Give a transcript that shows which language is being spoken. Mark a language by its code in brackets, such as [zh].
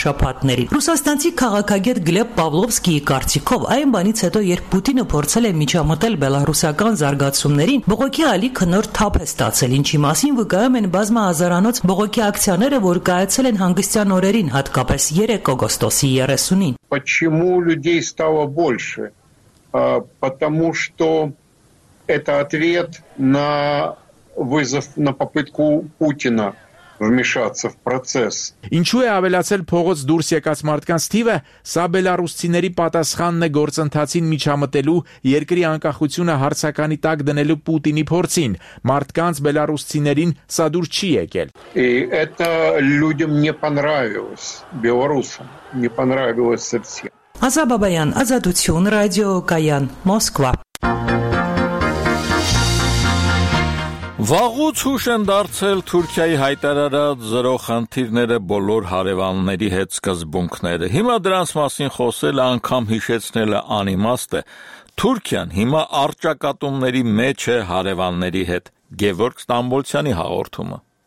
[hy] վարշապատների։ Ռուսաստանցի քաղաքագետ Գլեբ Պավլովսկիի կարծիքով, այն բանից հետո, երբ Պուտինը փորձել է միջամտել բելարուսական զարգացումներին, բողոքի ալիքը նոր թափ է ստացել, ինչի մասին վկայում են բազմահազարանոց բողոքի ակցիաները, որ կայացել են հանգստյան օրերին, հատկապես 3 օգոստոսի 30-ին։ [ru] Почему людей стало больше? Потому что это ответ на вызов, на попытку Путина вмешаться в процесс. [hy] Ինչու է ավելացել փողոց դուրս եկած մարդկանց թիվը, սա բելարուսցիների պատասխանն է գործընթացին միջամտելու, երկրի անկախությունը հարցականի տակ դնելու Պուտինի փորձին, մարդկանց բելարուսցիներին սա դուր չի եկել. [ru] Это людям не понравилось, белорусам не понравилось совсем. [hy] Ազա Բաբայան, Ազատություն ռադիո, Կայան, Մոսկվա։ Վաղուց հուշ են դարձել Թուրքիայի հայտարարած զրո խնդիրները բոլոր հարևանների հետ սկզբունքները։ Հիմա դրանց մասին խոսելը անգամ հիշեցնելը անիմաստ է։ Թուրքիան հիմա արճակատումների մեջ է հարևանների հետ։ Գևորգ Ստամբոլցյանի հաղորդումը։